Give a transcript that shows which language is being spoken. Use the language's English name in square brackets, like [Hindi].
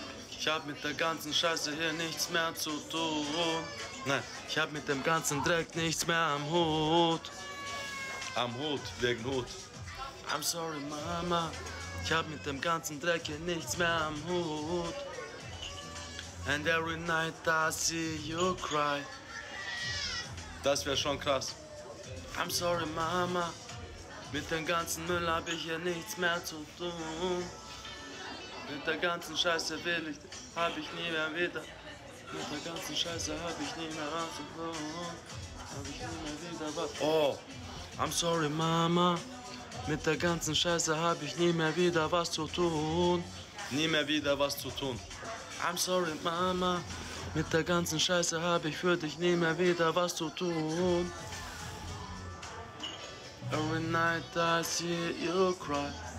[German] Ich habe mit der ganzen Scheiße hier nichts mehr zu tun. Nein, ich habe mit dem ganzen Dreck nichts mehr am Hut. Am Hut, wegen Hut. [English] I'm sorry, Mama. [German] Ich habe mit dem ganzen Dreck hier nichts mehr am Hut. [English] And every night I see you cry. [German] Das wäre schon krass. [English] I'm sorry, Mama. [German] Mit dem ganzen Müll habe ich hier nichts mehr zu tun. Mit der ganzen Scheiße will ich, hab ich nie mehr wieder. Mit der ganzen Scheiße hab ich nie mehr was zu tun. Hab ich nie mehr wieder was. Oh. [English] I'm sorry, Mama. [German] Mit der ganzen Scheiße hab ich nie mehr wieder was zu tun. Nie mehr wieder was zu tun. [English] I'm sorry, Mama. [German] Mit der ganzen Scheiße hab ich für dich nie mehr wieder was zu tun. [English] Every night I see you cry.